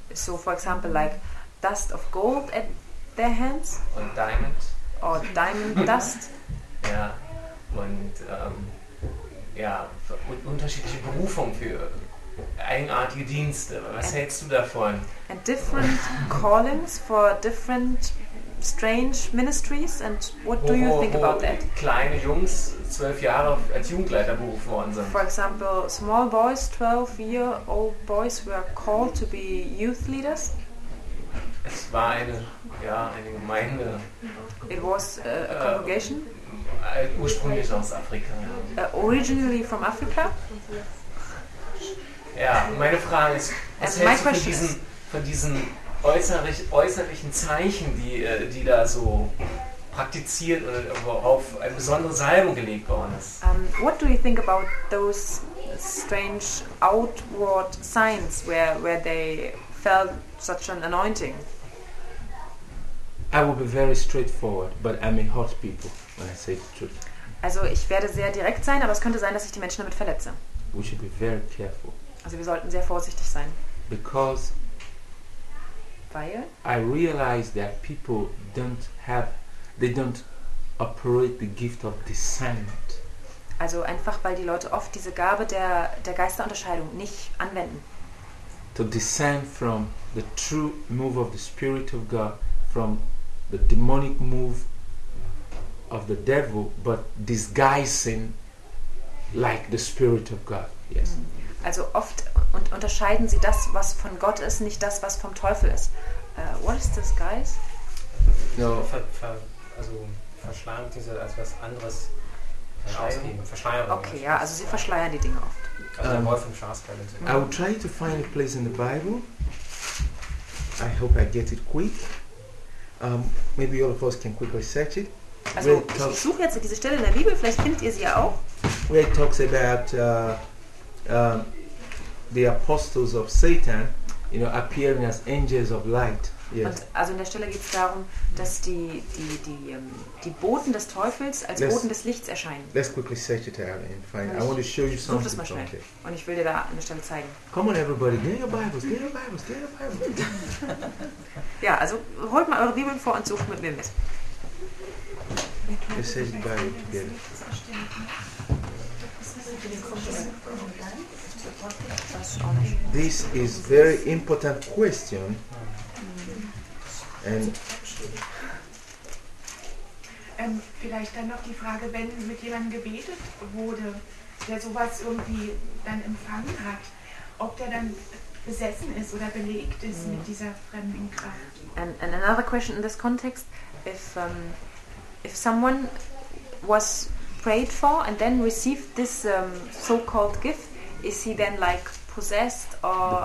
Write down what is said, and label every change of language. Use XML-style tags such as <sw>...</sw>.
<en>So for example like dust of gold at their hands.</en> <de>Und diamond.</de> <en>Or diamond dust.</en> <de>Ja, und ja, unterschiedliche Berufungen für eigenartige Dienste. Was hältst du davon?</de> <en>And different callings for different strange ministries. And what do you think about that?</en> <de>Kleine Jungs, 12 Jahre als Jugendleiter berufen worden sind.</de> <en>For example, small boys, 12-year-old boys were called to be youth leaders.</en> <de>Es war eine Gemeinde.</de> <en>It was a congregation.</en> <de>Ursprünglich aus Afrika.</de> <en>Originally from Africa.</en> <de>Ja, meine Frage ist, was hältst du von diesen äußerlichen Zeichen, die da so praktiziert oder auf eine besondere Salbung gelegt worden ist?</de> <en>What do you think about those strange outward signs where they felt such an anointing? I will be very straightforward, but I may hurt people when I say the truth.</en> <de>Also ich werde sehr direkt sein, aber es könnte sein, dass ich die Menschen damit verletze.</de> <en>We should be very careful.</en> <de>Also wir sollten sehr vorsichtig sein.</de> <en>Because</en> <de>weil</de> <en>I realize that people don't operate the gift of discernment.</en> <de>Also einfach weil die Leute oft diese Gabe der Geisterunterscheidung nicht anwenden.</de> <en>To discern from the true move of the Spirit of God from the demonic move of the devil, but disguising like the Spirit of God. Yes. Mm.</en> <de>Also oft und unterscheiden sie das, was von Gott ist, nicht das, was vom Teufel ist.</de> <en>What is this, guys?</en> <de>No. Also verschleiern diese als was anderes ausgeben. Okay, ja, also sie verschleiern die Dinge oft. Also der Wolf im Schafspelz.</de> <en>I will try to find a place in the Bible. I hope I get it quick. Maybe all of us can quickly search it.</en> <de>Also ich suche jetzt diese Stelle in der Bibel, vielleicht findet ihr sie ja auch.</de> <en>Where it talks about the apostles of Satan, you know, appearing as angels of light. Yes.</en> <de>Und also in der Stelle geht es darum, dass die Boten des Teufels als Boten des Lichts erscheinen.</de> <en>Let's quickly search it out and find. I want to show you something.</en> <de>Such das mal schnell. Und ich will dir da eine Stelle zeigen.</de> <en>Come on, everybody, get your Bibles, get your Bibles, get your Bibles.</en> <de>Ja, also holt mal eure Bibeln vor und sucht mit mir mit. Wir sind beide together.</de> <en>This is very important question, and</en> <de>vielleicht dann noch die Frage, wenn mit jemandem gebetet wurde, der sowas irgendwie dann empfangen hat, ob der dann besessen ist oder belegt ist mit dieser fremden Kraft.</de> <en>And another question in this context, if someone was prayed for and then received this so-called gift, is he then like possessed or...</en>